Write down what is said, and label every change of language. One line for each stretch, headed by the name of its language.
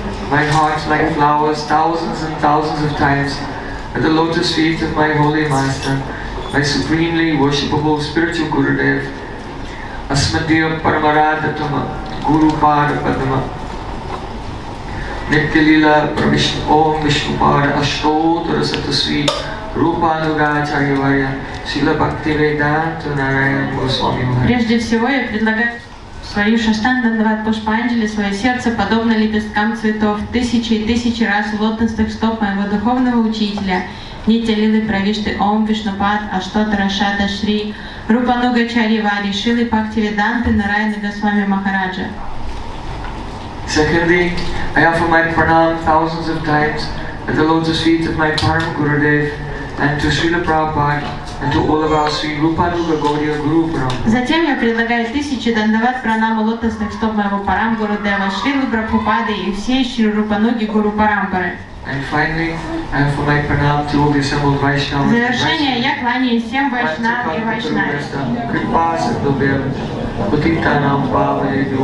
English: My heart like flowers thousands and thousands of times at the lotus feet of my holy master, my supremely worshipable spiritual Gurudev, Asmadiya Paramaradhatama Guru Pada Padma Nityalila Om Vishnu Pada Ashtotara Satasvi Rupa Anugacharya Varya Сила Бхакти Вейданта Нараяна Госвами Махарадж.
Russian: Прежде всего я предлагаю свою шаштанг Дандават Пушпанджали, свое сердце, подобно лепесткам цветов, тысячи и тысячи раз в лотосных стоп моего духовного учителя, Нитя Лилы Правишты Ом Вишнупад Аштота Рашада Шри Рупануга Чари Вари Шилы Бхакти Вейданта Нараяна Госвами Махараджа.
English: Secondly, I offer my pranam thousands of times at the lotus feet of my Parama Gurudev and to Srila Prabhupada and to all of our Sri Rupanuga Gaudiya Guru Parampara.
Russian: Затем я предлагаю тысячи дандават пранама лотосных стоп моего парам Гурудева Шрилы Прабхупады и всей Шри Рупануги Гуру Парампары.
English: And finally, I offer my pranam to all the assembled Vaishnavas.
Russian: В завершение я кланяюсь всем Вайшнавам и